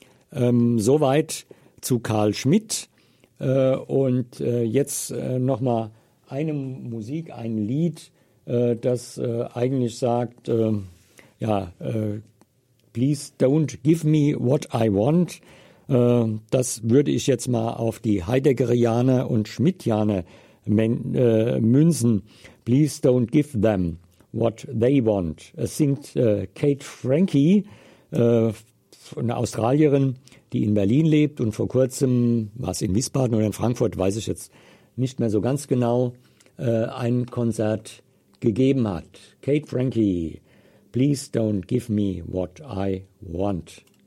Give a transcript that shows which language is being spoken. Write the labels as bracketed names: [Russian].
[German] Soweit zu Carl Schmitt. Und jetzt nochmal eine Musik, ein Lied, das eigentlich sagt, please don't give me what I want. Das würde ich jetzt mal auf die Heideggerianer und Schmittianer münzen. [English] Please don't give them what they want. [German] Es singt Kate Frankie, eine Australierin, die in Berlin lebt und vor kurzem, war es in Wiesbaden oder in Frankfurt, weiß ich jetzt nicht mehr so ganz genau, ein Konzert gegeben hat. Kate Frankie, please don't give me what I want.